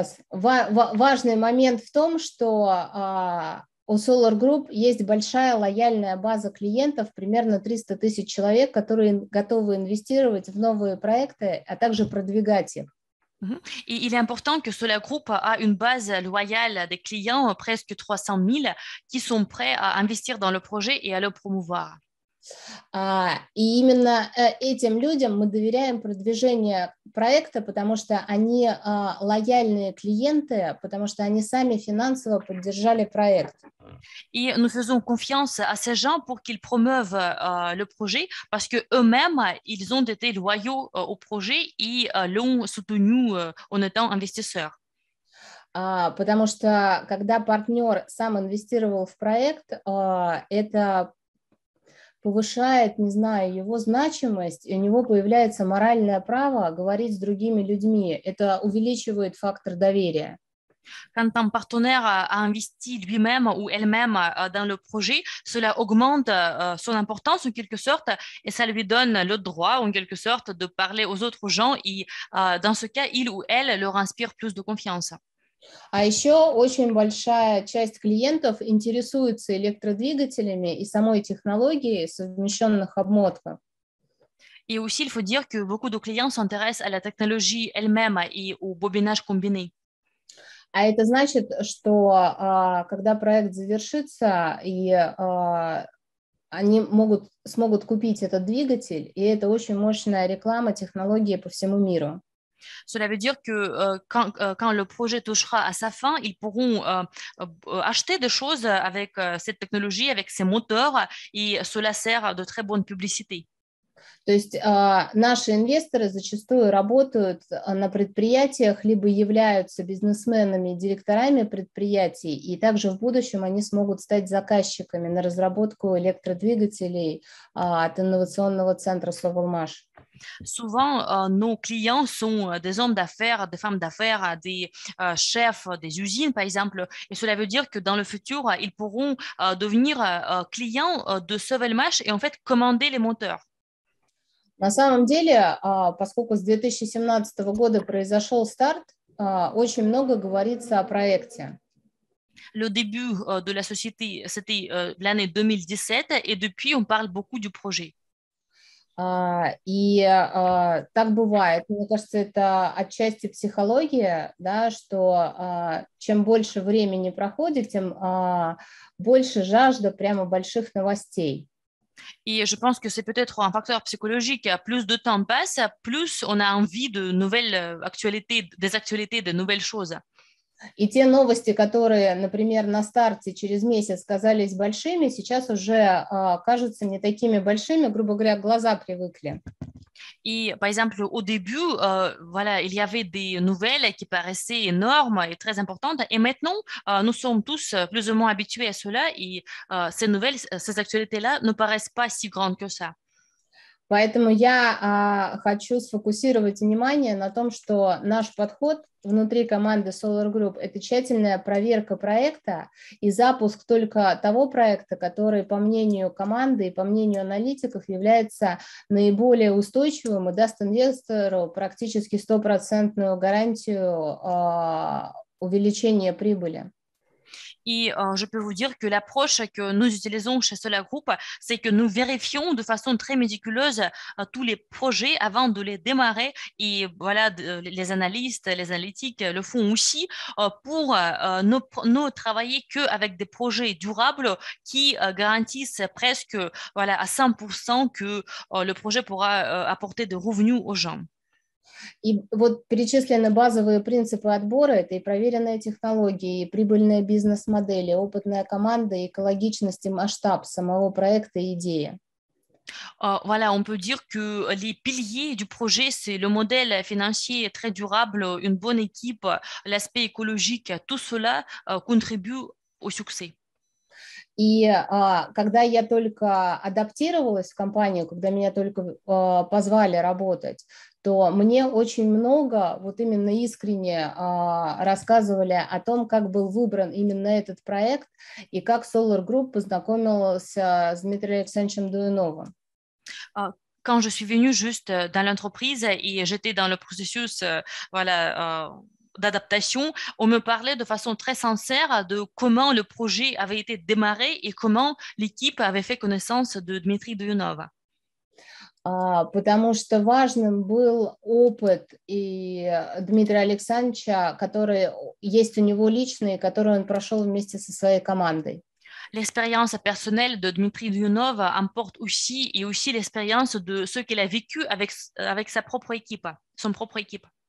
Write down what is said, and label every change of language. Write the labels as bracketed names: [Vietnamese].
[Russian] Важный момент в том, что у Solar Group есть большая лояльная база клиентов, примерно 300 тысяч человек, которые готовы инвестировать в новые проекты, а также продвигать их. И [French] il est important que Solar Group a une base loyale des clients, presque 300 000, qui sont prêts à investir dans le projet et à le promouvoir. [Russian] И именно этим людям мы доверяем продвижение проекта, потому что они лояльные клиенты, потому что они сами финансово поддержали проект. И мы делаем [French] confiance à ces gens pour qu'ils promeuvent le projet, parce que eux-mêmes ils ont été loyaux au projet [Russian] и [French] l'ont soutenu en étant investisseurs. [Russian] Потому что когда партнер сам инвестировал в проект, это повышает, не знаю, его значимость, и у него появляется моральное право говорить с другими людьми. Это увеличивает фактор доверия. [French] Quand un partenaire a investi lui-même ou elle-même dans le projet, cela augmente son importance en quelque sorte, et ça lui donne le droit en quelque sorte de parler aux autres gens, et dans ce cas, il ou elle leur inspire plus de confiance. [Russian] А еще очень большая часть клиентов интересуется электродвигателями и самой технологией совмещенных обмотков. И [French] aussi, il faut dire que beaucoup de clients s'intéressent à la technologie elle-même et au bobinage combiné. [Russian] А это значит, что когда проект завершится, и они смогут купить этот двигатель, и это очень мощная реклама технологии по всему миру. [French] Cela veut dire que quand le projet touchera à sa fin, ils pourront acheter des choses avec cette technologie, avec ces moteurs, et cela sert de très bonne publicité. [Russian] То есть наши инвесторы зачастую работают на предприятиях, либо являются бизнесменами, директорами предприятий, и также в будущем они смогут стать заказчиками на разработку электродвигателей от инновационного центра Sovelmash. [French] Souvent, nos clients sont des hommes d'affaires, des femmes d'affaires, des chefs des usines, par exemple. Et cela veut dire que dans le futur, ils pourront devenir clients de Sovelmash et en fait commander les moteurs. [Russian] На самом деле, поскольку с 2017 года произошел старт, очень много говорится о проекте. [French] Le début de la société, c'était l'année 2017, et depuis, on parle beaucoup du projet. [Russian] И так бывает. Мне кажется, это отчасти психология, да, что чем больше времени проходит, тем больше жажда прямо больших новостей. И [French] je pense que c'est peut-être un facteur psychologique. Plus de temps passe, plus on a envie de nouvelles actualités, des actualités, de nouvelles choses. [Russian] И те новости, которые, например, на старте через месяц казались большими, сейчас уже кажутся не такими большими, грубо говоря, глаза привыкли. И, [French] par exemple, au début, voilà, il y avait des nouvelles qui paraissaient énormes et très importantes, et maintenant, nous sommes tous plus ou moins habitués à cela, et ces nouvelles, ces actualités-là ne paraissent pas si grandes que ça. [Russian] Поэтому я хочу сфокусировать внимание на том, что наш подход внутри команды Solar Group – это тщательная проверка проекта и запуск только того проекта, который, по мнению команды и по мнению аналитиков, является наиболее устойчивым и даст инвестору практически 100% гарантию увеличения прибыли. И [French] je peux vous dire que l'approche que nous utilisons chez Solar Group, c'est que nous vérifions de façon très méticuleuse tous les projets avant de les démarrer. Et voilà, les analystes, les analytiques le font aussi pour ne travailler qu'avec des projets durables qui garantissent presque voilà, à 100% que le projet pourra apporter des revenus aux gens. [Russian] И вот перечислены базовые принципы отбора, это и проверенные технологии, и прибыльные бизнес-модели, опытная команда, экологичность и масштаб самого проекта и идеи. [French] Voilà, on peut dire que les piliers du projet, c'est le modèle financier très durable, une bonne équipe, l'aspect écologique, tout cela contribue au succès. [Russian] И когда я только адаптировалась в компанию, когда меня только позвали работать, то мне очень много вот именно искренне рассказывали о том, как был выбран именно этот проект и как Solar Group познакомился с Дмитрием Александровичем Дуйновым. [French] Quand je suis venue juste dans l'entreprise et j'étais dans le processus, voilà, d'adaptation, on me parlait de façon très sincère de comment le projet avait été démarré et comment l'équipe avait fait connaissance de Dmitri Dyunov. [Russian] Потому что важным был опыт и Дмитрия Александровича, который есть у него личный, который он прошел вместе со своей командой. [French] l'expérience personnelle de Dmitri Dyunov emporte aussi et aussi l'expérience de ce qu'il a vécu avec sa propre équipe, son propre équipe.